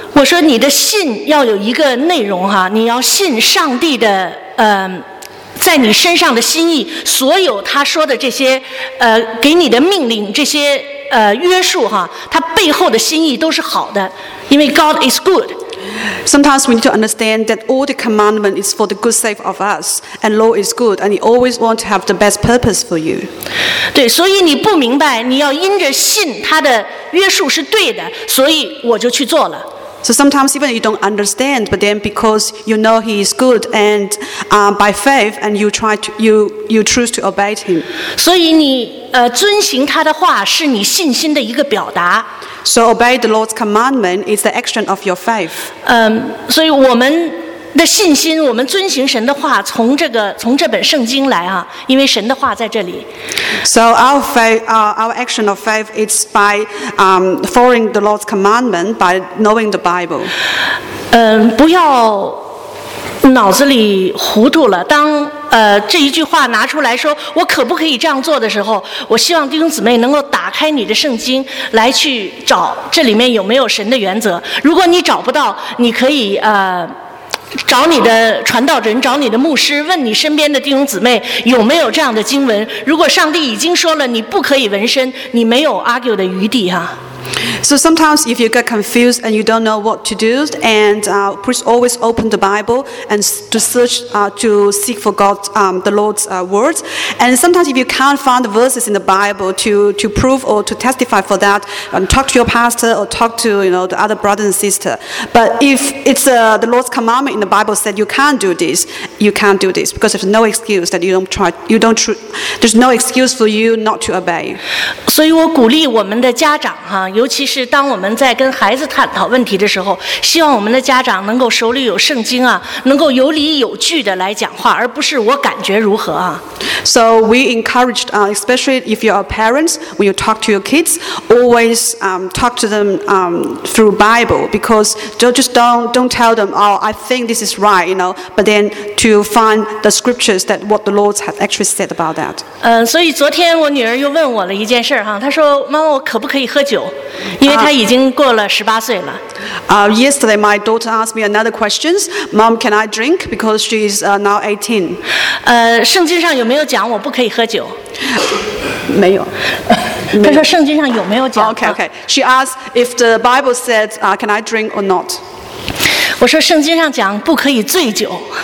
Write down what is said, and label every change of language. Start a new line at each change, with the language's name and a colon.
Chinese: 我说你的信要有一个内容哈，你要信上帝的在你身上的心意，所有他说的这些给你的命令这些。约束哈，它背后的心意都是好的，因为
English: God is good. Sometimes we need to understand that all the commandment is for the good sake of us, and law is good, and He always want to have the best purpose for you.
Chinese: 对，所以你不明白，你要因着信他的约束是对的，所以我就去做了。
English: So sometimes even you don't understand, but then because you know he is good and by faith, and you choose to obey him.
Chinese: 所以你遵行他的话是你信心的一个表达。
English: So obey the Lord's commandment is the action of your faith.
Chinese: 所以我们的信心，我们遵行神的话，从这本圣经来啊，因为神的话在这里。
English: So our faith, our action of faith, it's by following the Lord's commandment by knowing the Bible.
Chinese: 不要脑子里糊涂了，当这一句话拿出来说我可不可以这样做的时候，我希望弟兄姊妹能够打开你的圣经来去找这里面有没有神的原则。如果你找不到，你可以找你的传道人，找你的牧师，问你身边的弟兄姊妹有没有这样的经文。如果上帝已经说了你不可以纹身，你没有 argue 的余地啊。
English: So sometimes if you get confused and you don't know what to do, and please always open the Bible and to search, to seek for God, the Lord's words. And sometimes if you can't find the verses in the Bible to prove or to testify for that, talk to your pastor or talk to, you know, the other brother and sister. But if it's the Lord's commandment in the Bible said you can't do this, you can't do this, because there's no excuse that you don't try, you don't, there's no excuse for you not to obey. So I encourage our parents, huh?
Chinese: 尤其是当我们在跟孩子探讨问题的时候，希望我们的家长能够手里有圣经啊，能够有理有据的来讲话，而不是我感觉如何啊。
English: So we encouraged, especially if you are parents, when you talk to your kids, always talk to them through Bible, because don't tell them, oh, I think this is right, you know, but then to find the scriptures that what the Lord has actually said about that.
Chinese: 所以昨天我女儿又问我了一件事哈，她说，妈妈，我可不可以喝酒？因为她已经过了十八岁了。
English: Yesterday, my daughter asked me another question. Mom, can I drink? Because she is now 18.
Chinese: 圣经上有没有讲我不可以喝酒？没有。她说圣经上有没有讲
English: ？Okay. She asked if the Bible said, "Can I drink or not?"
Chinese: 我说圣经上讲不可以醉酒。